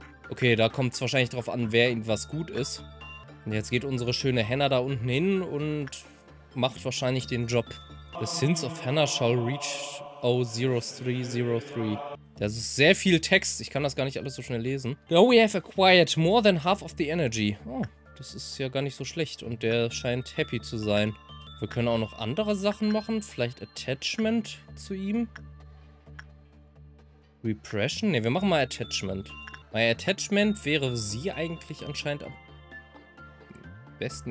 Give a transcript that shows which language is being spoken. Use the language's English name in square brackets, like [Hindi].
[German] Okay, da kommt es wahrscheinlich darauf an, wer irgendwas gut ist. Und jetzt geht unsere schöne Hannah da unten hin und macht wahrscheinlich den Job. [English] The sins of Hannah shall reach 0303. [German] Das ist sehr viel Text. Ich kann das gar nicht alles so schnell lesen. [English] Though we have acquired more than half of the energy. [German] Oh, das ist ja gar nicht so schlecht. Und der scheint happy zu sein. Wir können auch noch andere Sachen machen. Vielleicht Attachment zu ihm. Repression? Ne, wir machen mal Attachment. Bei Attachment wäre sie eigentlich anscheinend am besten.